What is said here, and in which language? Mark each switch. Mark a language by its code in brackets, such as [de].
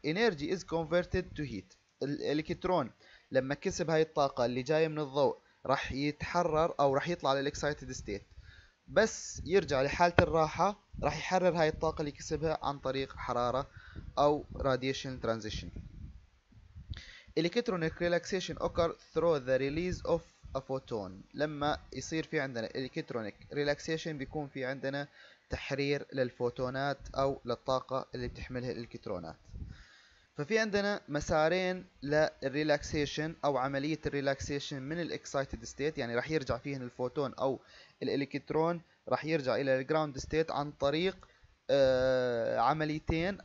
[en] Energy is converted to heat. [ar] الالكترون لما كسب هاي الطاقة اللي جاية من الضوء راح يتحرر او راح يطلع للإكسايتد ستيت، بس يرجع لحالة الراحة راح يحرر هاي الطاقة اللي كسبها عن طريق حرارة او راديشن ترانزيشن. [en] Electronic relaxation occurs through the release of a photon. [ar] لما يصير في عندنا electronic relaxation بيكون في عندنا تحرير للفوتونات أو للطاقة اللي بتحملها الإلكترونات. ففي عندنا مسارين للrelaxation أو عملية الrelaxation من الexcited state، يعني راح يرجع فيه الفوتون أو الإلكترون راح يرجع إلى الground state عن طريق عمليتين.